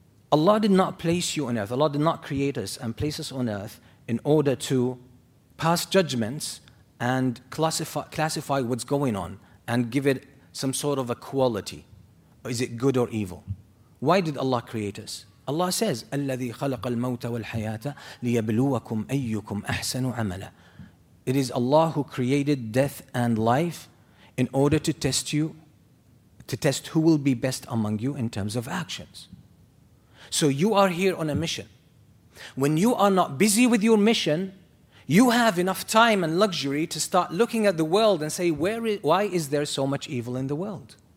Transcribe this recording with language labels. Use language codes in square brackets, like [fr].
[en] Allah did not place you on earth. Allah did not create us and place us on earth in order to pass judgments and classify what's going on and give it some sort of a quality Is it good or evil? Why did Allah create us? Allah says, [ar] الَّذِي خَلَقَ الْمَوْتَ وَالْحَيَاةَ لِيَبْلُوَكُمْ أَيُّكُمْ أَحْسَنُ عَمَلًا. [en] It is Allah who created death and life in order to test you, to test who will be best among you in terms of actions. So you are here on a mission. When you are not busy with your mission, you have enough time and luxury to start looking at the world and say, why is there so much evil in the world?